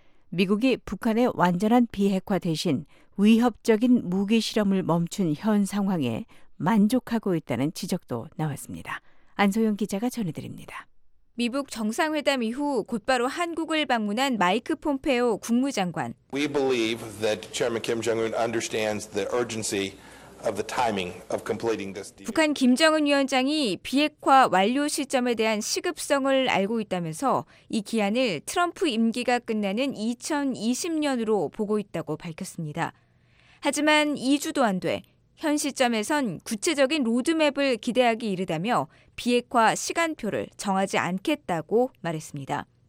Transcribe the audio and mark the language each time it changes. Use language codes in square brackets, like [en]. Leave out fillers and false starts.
[ko] 미국이 북한의 완전한 비핵화 대신 위협적인 무기 실험을 멈춘 현 상황에 만족하고 있다는 지적도 나왔습니다. 안소영 기자가 전해드립니다. 미국 정상회담 이후 곧바로 한국을 방문한 마이크 폼페오 국무장관. [en] We believe that Chairman Kim Jong-un understands the urgency of the timing of completing this deal. [ko] 북한 김정은 위원장이 비핵화 완료 시점에 대한 시급성을 알고 있다면서 이 기한을 트럼프 임기가 끝나는 2020년으로 보고 있다고 밝혔습니다. 하지만 2주도 안 돼 현 시점에선 구체적인 로드맵을 기대하기 이르다며 비핵화 시간표를 정하지 않겠다고 말했습니다.